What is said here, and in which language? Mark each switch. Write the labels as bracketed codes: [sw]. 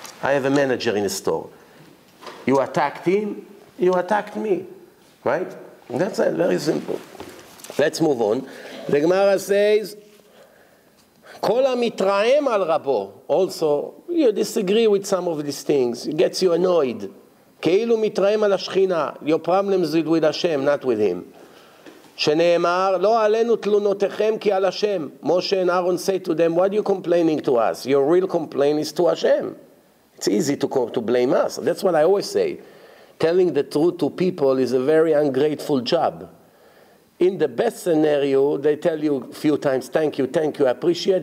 [en] I have a manager in a store. You attacked him, you attacked me. Right? That's it. Very simple. Let's move on. The Gemara says, [he] Kol ha-mitra'em al rabo. [en] Also, you disagree with some of these things. It gets you annoyed. [he] Keilu mitra'em al ha-shchina. [en] Your problems is with Hashem, not with him. [he] שנאמר, לא עלינו תלונותיכם כי על השם. [en] Moshe and Aaron say to them, what are you complaining to us? Your real complaint is to Hashem. It's easy to blame us. That's what I always say. Telling the truth to people is a very ungrateful job. In the best scenario, they tell you a few times, thank you, I appreciate.